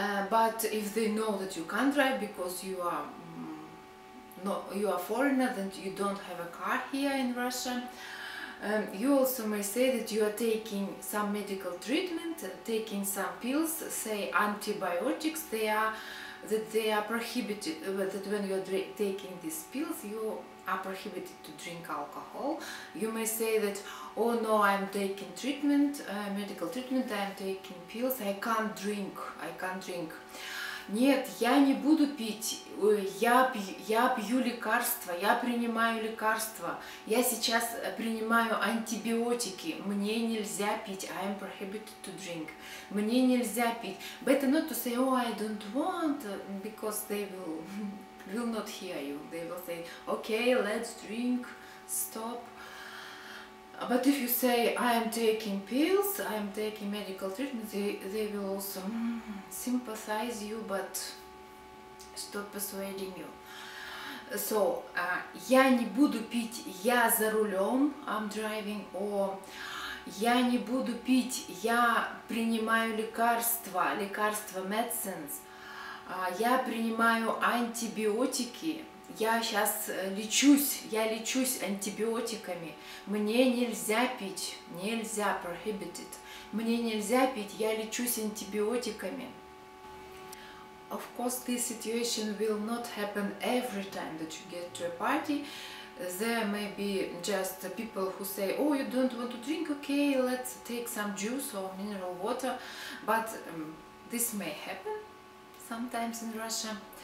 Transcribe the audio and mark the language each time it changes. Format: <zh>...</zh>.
<en>But if they know that you can't drive because you are you are a foreigner, that you don't have a car here in Russia, you also may say that you are taking some medical treatment, taking some pills, say antibiotics, they are prohibited, that when you are taking these pills, you are prohibited to drink alcohol. You may say that, oh no, I'm taking treatment, medical treatment, I'm taking pills, I can't drink.</en> <ru>Нет, я не буду пить, я пью лекарства, я принимаю лекарства, я сейчас принимаю антибиотики, мне нельзя пить,</ru> <en>I am prohibited to drink,</en> <ru>мне нельзя пить.</ru> <en>Better not to say, oh, I don't want, because they will not hear you, they will say, okay, let's drink, stop. But if you say, I am taking pills, I am taking medical treatment, they will also sympathize you, but stop persuading you.</en> <ru>So, я не буду пить, я за рулем,</ru> <en>I'm driving,</en> <ru>or я не буду пить, я принимаю лекарства,</ru> <en>medicines,</en> <ru>я принимаю антибиотики. Я сейчас лечусь, я лечусь антибиотиками. Мне нельзя пить, нельзя,</ru> <en>prohibited.</en> <ru>Мне нельзя пить, я лечусь антибиотиками.</ru> <en>Of course, this situation will not happen every time that you get to a party. There may be just people who say, oh, you don't want to drink, okay, let's take some juice or mineral water. But this may happen sometimes in Russia.</en>